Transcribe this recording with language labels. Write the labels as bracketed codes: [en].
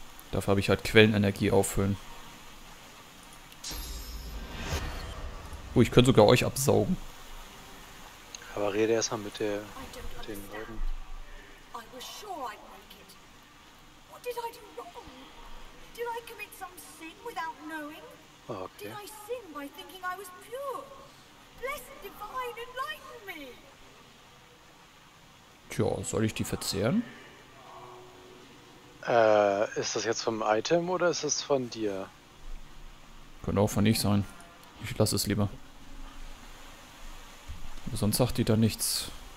[de] Dafür habe ich halt Quellenenergie auffüllen. Oh, ich könnte sogar euch absaugen. Aber rede erstmal mit der mit den Leuten. [en] I was sure I'd make it. What did I do wrong? Did I commit some sin without knowing? Did I sin by thinking I was pure? Blessed divine, enlighten me. [de] Tja, soll ich die verzehren? Ist das jetzt vom Item oder ist das von dir? Könnte auch von ich sein. Ich lasse es lieber. Sonst sagt die da nichts.